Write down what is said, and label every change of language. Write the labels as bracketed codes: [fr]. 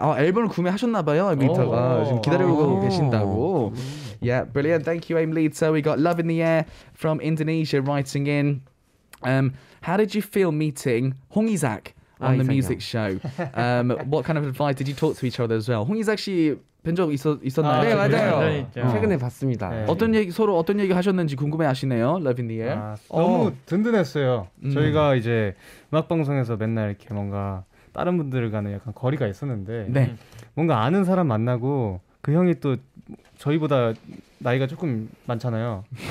[ko] 아, 앨범을 구매하셨나 봐요. 아, 지금 기다리고 계신다고. [en] Yeah, brilliant. Thank you, Aim Leader. So we got Love in the Air from Indonesia writing in. How did you feel meeting Hong Isaac on the music show? What kind of advice did you talk to each other as well? [ko] Hong Isaac 씨 뵌 적 있었나요? 네, 맞아요. 최근에 봤습니다. 네. 어떤 얘기 서로 어떤 얘기 하셨는지 궁금해하시네요. [en] Love in the Air. [ko] 너무 든든했어요. 저희가 이제 음악 방송에서 맨날 이렇게 뭔가 다른 분들과는 약간 거리가 있었는데 뭔가 아는 사람 만나고 그 형이 또 저희보다 나이가 조금 많잖아요.